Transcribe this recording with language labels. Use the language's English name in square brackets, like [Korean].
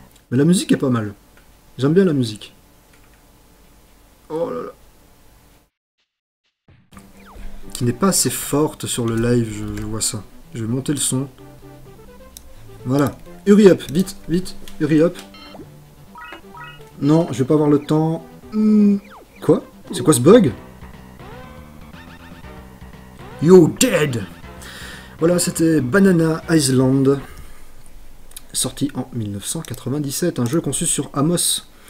[French] Mais la musique est pas mal. J'aime bien la musique. Oh là là. Qui n'est pas assez forte sur le live, je vois ça. Je vais monter le son. Voilà. [English] Hurry up, [French] vite, vite, [English] hurry up. [French] Non, je vais pas avoir le temps. Quoi? C'est quoi ce bug? [English] You're dead! [French] Voilà, c'était Banana Island, sorti en 1997, un jeu conçu sur Amos.